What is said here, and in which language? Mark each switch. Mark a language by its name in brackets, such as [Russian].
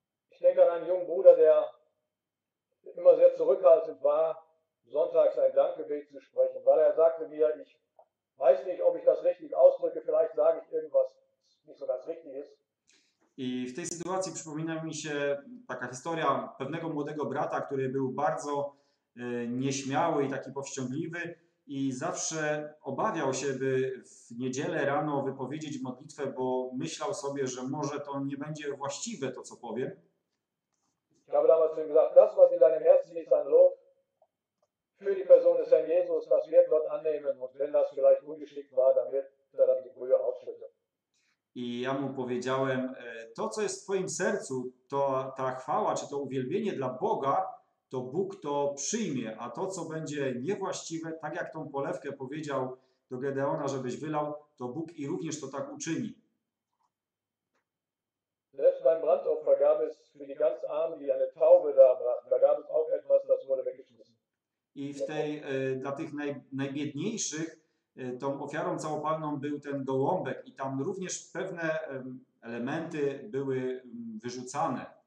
[German] Ich denke an einen jungen Bruder, der immer sehr zurückhaltend war, sonntags ein Dankgebet zu sprechen, weil er sagte mir, ich weiß nicht, ob ich das richtig ausdrücke, vielleicht sage ich irgendwas, was nicht so ganz richtig ist. [Polish] I w tej sytuacji przypomina mi się taka historia pewnego młodego brata, który był bardzo nieśmiały i taki powściągliwy i zawsze obawiał się, by w niedzielę rano wypowiedzieć modlitwę, bo myślał sobie, że może to nie będzie właściwe to, co powiem. [German] Ich habe damals gesagt, das, was in deinem Herzen ist, ein Lob, für die Person des Herrn Jesus, das wird Gott annehmen. Und wenn das vielleicht ungeschickt war, dann wird er dann die Brühe aufschütten. [Polish] I ja mu powiedziałem, to co jest w twoim sercu, to ta chwała, czy to uwielbienie dla Boga, to Bóg to przyjmie, a to co będzie niewłaściwe, tak jak tą polewkę powiedział do Gedeona, żebyś wylał, to Bóg i również to tak uczyni. [German] Selbst beim Brandopfer gab es für die ganz Armen, die eine Taube da brachten, da gab es auch etwas, das wurde weggeschmissen. [Polish] I w tej, dla tych najbiedniejszych, tą ofiarą całopalną był ten gołąbek i tam również pewne elementy były wyrzucane.